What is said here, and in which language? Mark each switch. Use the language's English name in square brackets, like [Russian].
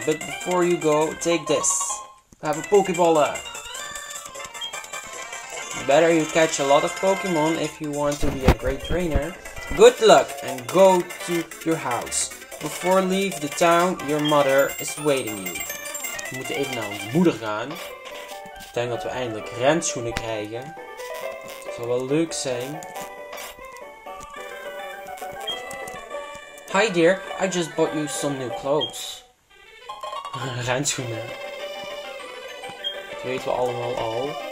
[English] But before you go, take this. Have a Pokeball there. Better you catch a lot of Pokemon if you want to be a great trainer. Good luck and go to your house. Before leave the town, your mother is waiting you. [Dutch] We moeten even naar onze moeder gaan. Ik denk dat we eindelijk renschoenen krijgen. Dat zou wel leuk zijn. [English] Hi dear, I just bought you some new clothes. [Dutch] Renschoenen. Dat weten we allemaal al.